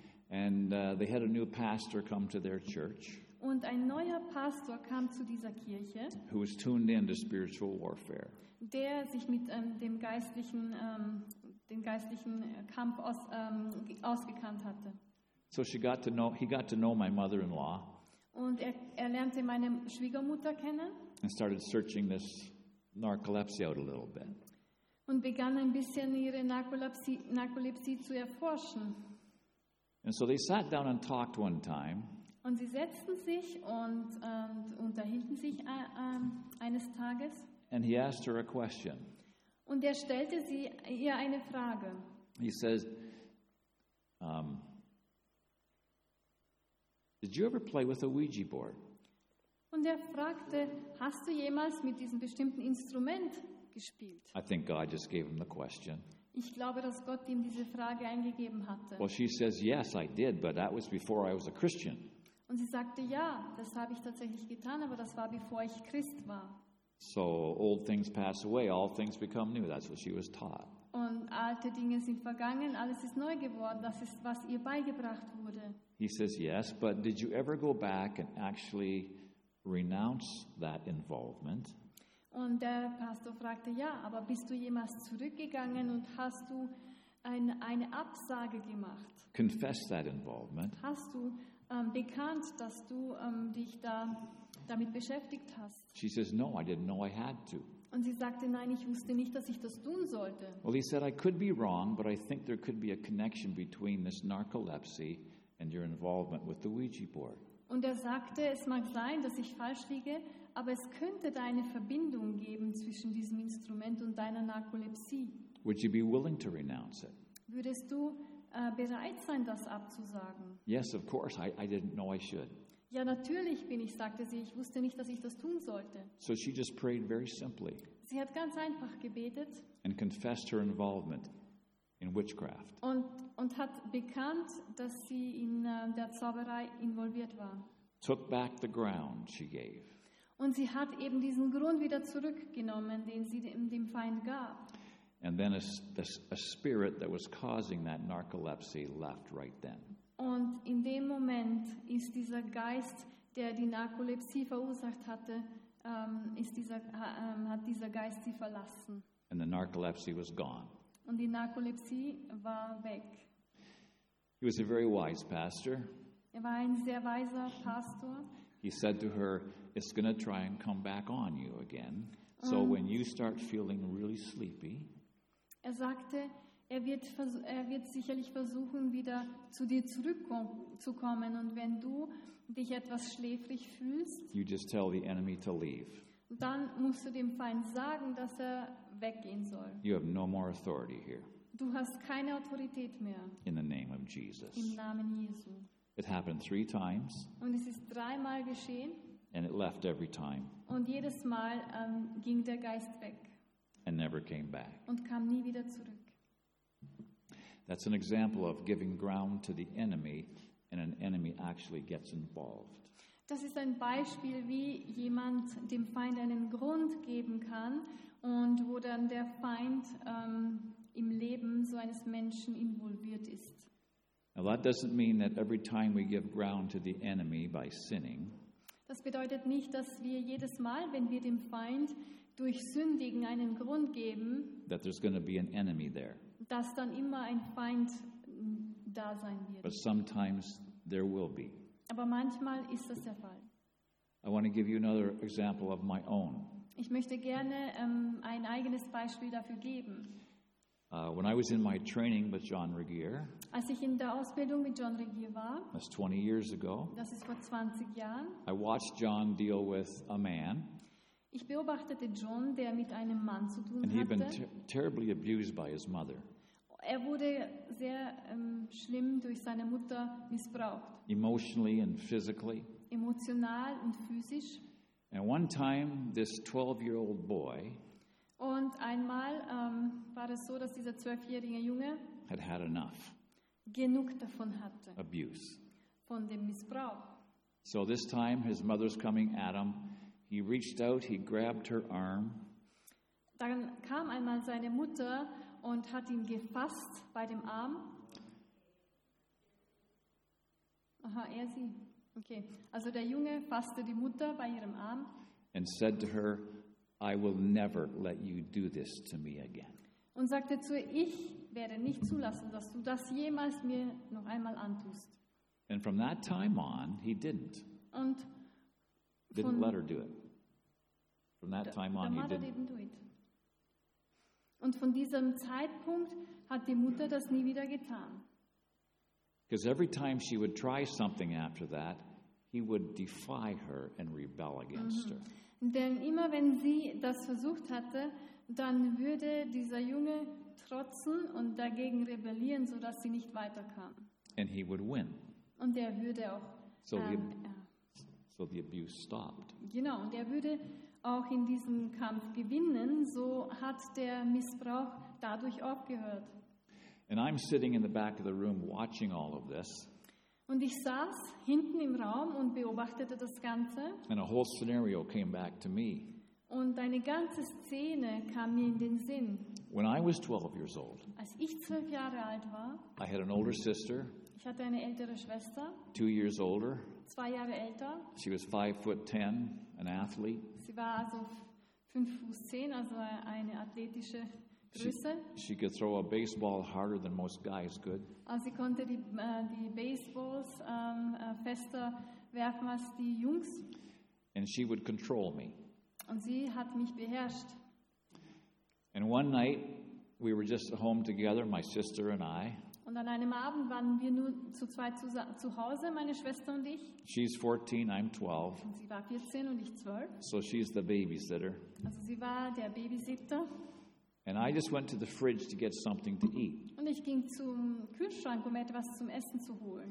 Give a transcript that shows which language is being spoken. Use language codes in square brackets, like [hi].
[en] And they had a new pastor come to their church. [de] Und ein neuer Pastor kam zu dieser Kirche. [en] Who was tuned in to spiritual warfare. [de] Der sich mit dem geistlichen Kampf ausgekannt hatte. [en] So she got to know, he got to know my mother-in-law. [de] Und er lernte meine Schwiegermutter kennen. [en] And started searching this narcolepsy out a little bit. [de] Und begann ein bisschen ihre Narkolepsie zu erforschen. [en] And so they sat down and talked one time. [de] Und sie setzten sich und unterhielten sich eines Tages. [en] And he asked her a question. [de] Und er stellte sie ihr eine Frage. [en] He says, did you ever play with a Ouija board? [de] Und er fragte, hast du jemals mit diesem bestimmten Instrument gespielt? [en] I think God just gave him the question. [de] Ich glaube, dass Gott ihm diese Frage eingegeben hatte. [en] Well, she says, yes, I did, but that was before I was a Christian. [de] Und sie sagte, ja, das habe ich tatsächlich getan, aber das war, bevor ich Christ war. [en] So old things pass away, all things become new. That's what she was taught. [de] Und alte Dinge sind vergangen, alles ist neu geworden. Das ist, was ihr beigebracht wurde. [en] He says, yes, but did you ever go back and actually renounce that involvement? [de] Und der Pastor fragte, ja, aber bist du jemals zurückgegangen und hast du eine Absage gemacht? [en] Confess that involvement. [de] Hast du bekannt, dass du dich damit beschäftigt hast? [en] She says, no, I didn't know I had to. [de] Und sie sagte, nein, ich wusste nicht, dass ich das tun sollte. [en] Well, he said, I could be wrong, but I think there could be a connection between this narcolepsy and your involvement with the Ouija board. [de] Und er sagte, es mag sein, dass ich falsch liege, aber es könnte da eine Verbindung geben zwischen diesem Instrument und deiner Narkolepsie. [en] Would you be willing to renounce it? [de] Würdest du bereit sein, das abzusagen? [en] Yes, of course, I didn't know I should. [de] Ja, natürlich bin ich, sagte sie, ich wusste nicht, dass ich das tun sollte. [en] So she just prayed very simply. [de] Sie hat ganz einfach gebetet. [en] And confessed her involvement in witchcraft. [de] Und hat bekannt, dass sie in der Zauberei involviert war. [en] Took back the ground she gave. [de] Und sie hat eben diesen Grund wieder zurückgenommen, den sie dem Feind gab. [en] And then a spirit that was causing that narcolepsy left right then. [de] Und in dem Moment ist dieser Geist, der die Narkolepsie verursacht hatte, hat dieser Geist sie verlassen. [en] And the narcolepsy was gone. [de] Und die Narkolepsie war weg. [en] He was a very wise pastor. [de] Er war ein sehr weiser Pastor. [en] He said to her, it's going to try and come back on you again. So when you start feeling really sleepy. [de] Er sagte, er wird sicherlich versuchen, wieder zu dir zurückzukommen. Und wenn du dich etwas schläfrig fühlst, [en] you just tell the enemy to leave. [de] Dann musst du dem Feind sagen, dass er weggehen soll. [en] You have no more authority here. [de] Du hast keine Autorität mehr. [en] In the name of Jesus. [de] Im Namen Jesu. [en] It happened three times. [de] Und es ist dreimal geschehen. [en] And it left every time. [de] Und jedes Mal ging der Geist weg. [en] And never came back. [de] Und kam nie wieder zurück. [en] That's an example of giving ground to the enemy, and an enemy actually gets involved. [de] Das ist ein Beispiel, wie jemand dem Feind einen Grund geben kann und wo dann der Feind im Leben so eines Menschen involviert ist. [en] Now that doesn't mean that every time we give ground to the enemy by sinning. [de] Das bedeutet nicht, dass wir jedes Mal, wenn wir dem Feind durch Sündigen einen Grund geben, [en] that there's going to be an enemy there. [de] Dass dann immer ein Feind da sein wird. [en] But sometimes there will be. [de] Aber manchmal ist das der Fall. [en] I want to give you another example of my own. [de] Ich möchte gerne ein eigenes Beispiel dafür geben. [en] When I was in my training with John Regier, [de] als ich in der Ausbildung mit John Regier war, [en] that's 20 years ago, [de] das ist vor 20 Jahren, [en] I watched John deal with a man. [de] Ich beobachtete John, der mit einem Mann zu tun [en] and [de] hatte. [en] He'd been terribly abused by his mother. [de] Er wurde sehr schlimm durch seine Mutter missbraucht. [en] Emotionally and physically. [de] Emotional und physisch. [en] And one time, this 12-year-old boy. [de] Und einmal war es so, dass dieser 12-jährige Junge [en] had enough [de] genug davon hatte. [en] Abuse. [de] Von dem Missbrauch. [en] So this time, his mother's coming at him. He reached out, he grabbed her arm. [de] Dann kam einmal seine Mutter und hat ihn gefasst bei dem Arm. Aha, er sie. Okay, also der Junge fasste die Mutter bei ihrem Arm. [en] And said to her, I will never let you do this to me again. [de] Und sagte zu ihr, ich werde nicht zulassen, dass du das jemals mir noch einmal antust. [en] And from that time on, he didn't. [de] Und [en] didn't let her do it. From that time on, he didn't. [de] Und von diesem Zeitpunkt hat die Mutter das nie wieder getan. [en] Because every time she would try something after that, he would defy her and rebel against her. [de] Denn immer wenn sie das versucht hatte, dann würde dieser Junge trotzen und dagegen rebellieren, sodass sie nicht weiterkam. [en] And he would win. [de] Und er würde auch [en] so the abuse stopped. [de] Genau, und er würde auch in diesem Kampf gewinnen, so hat der Missbrauch dadurch aufgehört. [en] And I'm sitting in the back of the room watching all of this. [de] Und ich saß hinten im Raum und beobachtete das Ganze. [en] And a whole scenario came back to me. [de] Und eine ganze Szene kam mir in den Sinn. [en] When I was 12 years old, [de] als ich 12 Jahre alt war, [en] I had an older sister. [de] Ich hatte eine ältere Schwester. [en] 2 years older. [de] 2 Jahre älter. [en] She was 5'10", an athlete. [de] Sie war also 5'10", also eine athletische Größe. [en] She could throw a baseball harder than most guys could. [de] Also sie konnte die Baseballs fester werfen als die Jungs. [en] And she would control me. [de] Und sie hat mich beherrscht. [en] And one night, we were just at home together, my sister and I. [de] Und an einem Abend waren wir nur zu zweit zu Hause, meine Schwester und ich. [en] She's 14, I'm 12. [de] Und sie war 14 und ich 12. [en] So she's the babysitter. [de] Also sie war der Babysitter. [en] And I just went to the fridge to get something to eat. [de] Und ich ging zum Kühlschrank, um etwas zum Essen zu holen.